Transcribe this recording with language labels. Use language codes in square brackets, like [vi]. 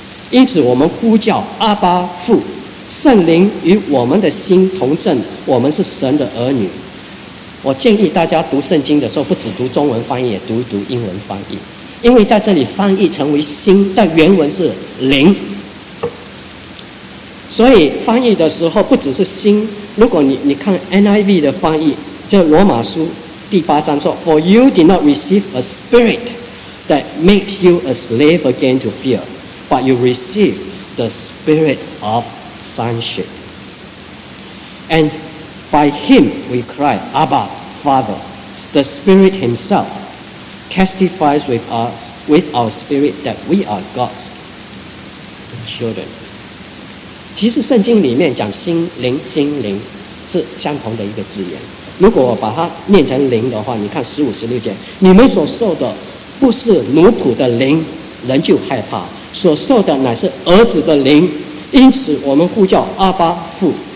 [zh] 因此我们呼叫阿爸父，圣灵与我们的心同证，我们是神的儿女。我建议大家读圣经的时候，不只读中文翻译，也读一读英文翻译，因为在这里翻译成为心，在原文是灵，所以翻译的时候不只是心。如果你看 NIV 的翻译，就罗马书第八章说 [en] For you did not receive a spirit that makes you a slave again to fear， but you receive the spirit of sonship. And by him we cry, Abba, Father. The Spirit himself testifies with us, with our spirit, that we are God's children. [zh] 其实圣经里面讲心灵是相同的一个字眼。如果我把它念成灵的话，你看十五十六节，你们所受的不是奴仆的灵，人就害怕，所受的乃是儿子的灵，因此我们呼叫阿爸父。